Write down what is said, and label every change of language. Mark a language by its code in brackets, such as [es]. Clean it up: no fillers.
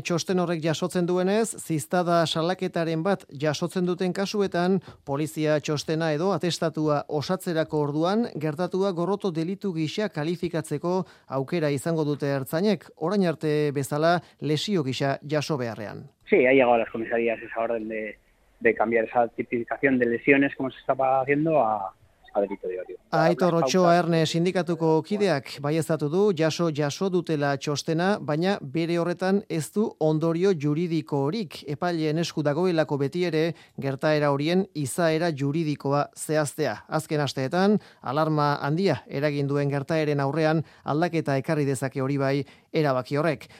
[eu] Txosten horrek jasotzen duenez, ziztada salaketaren bat jasotzen duten kasuetan, polizia txostena edo atestatua osatzerako orduan, gertatua gorroto delitu gisa kalifikatzeko aukera izango dute ertzainek, orain arte bezala lesio gisa jaso beharrean. [es] Sí, ha llegado a las comisarías esa orden de cambiar esa tipificación de lesiones como se estaba haciendo a... [eu] Aitor Ochoa Erne sindikatuko kideak baiezatu du jaso dutela txostena, baina bere horretan ez du ondorio juridiko horik, epaileen esku dagoelako beti ere gertaera horien izaera juridikoa zehaztea. Azken asteetan alarma handia eragin duen gertaeren aurrean aldaketa ekarri dezake hori bai erabaki horrek.